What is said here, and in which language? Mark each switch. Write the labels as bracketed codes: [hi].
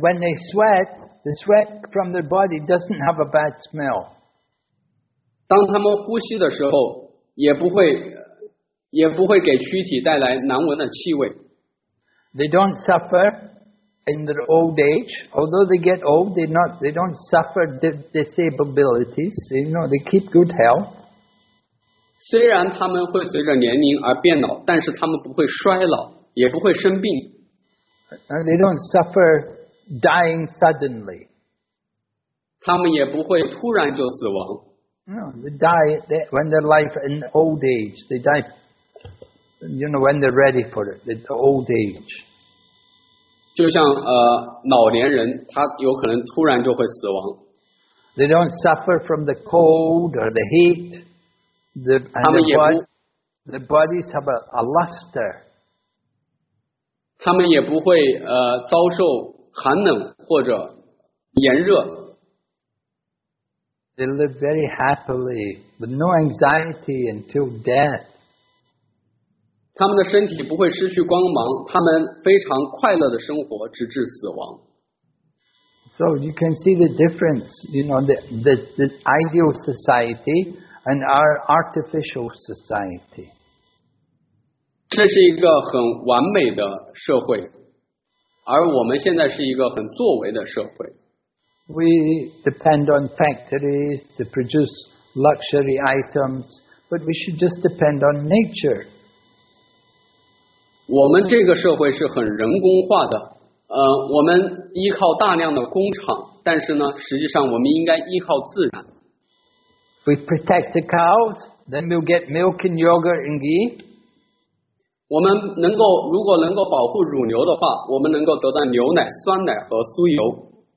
[en] when they sweat, the sweat from their body doesn't have a bad smell. [zh] 当他们呼吸的时候，也不会给躯体带来难闻的气味。 [en] They don't suffer in their old age, although they get old, they don't suffer disabilities. You know, they keep good health. [zh] 虽然他们会随着年龄而变老，但是他们不会衰老，也不会生病。 [en] They don't suffer dying suddenly. [zh] 他们也不会突然就死亡。 [en] No, when they're life in old age, they die. You know, when they're ready for it, the old age. [zh] 就像老年人，他有可能突然就会死亡。 [en] They don't suffer from the cold or the heat. The bodies have a luster. [zh] 他们也不会遭受寒冷或者炎热。 [en] They live very happily with no anxiety until death. [zh] 他们的身体不会失去光芒，他们非常快乐的生活直至死亡。 [en] So you can see the difference, you know, the ideal society and our artificial society. [zh] 这是一个很完美的社会，而我们现在是一个很作为的社会。 [en] We depend on factories to produce luxury items, but we should just depend on nature. [zh] 我们这个社会是很人工化的，我们依靠大量的工厂，但是呢，实际上我们应该依靠自然。 [en] If we protect the cows, then we'll get milk and yogurt and ghee. [zh] 我们能够，如果能够保护乳牛的话，我们能够得到牛奶、酸奶和酥油。